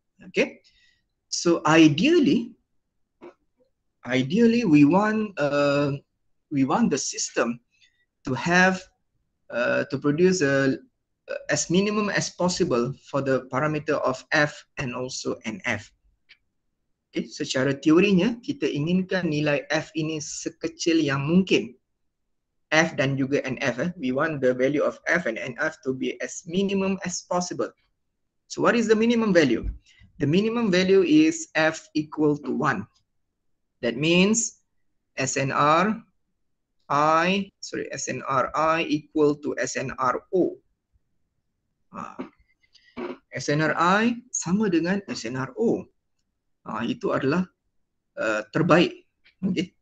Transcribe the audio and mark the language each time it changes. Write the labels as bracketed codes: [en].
[en] Okay, so ideally we want the system to have to produce as minimum as possible for the parameter of F and also NF. [ms] Okay, secara teorinya kita inginkan nilai F ini sekecil yang mungkin. F dan juga NF. Eh? [en] We want the value of F and NF to be as minimum as possible. So what is the minimum value? The minimum value is F equal to 1. That means SNR I equal to SNR O. [ms] SNR I sama dengan SNR O. Itu adalah terbaik. Okay?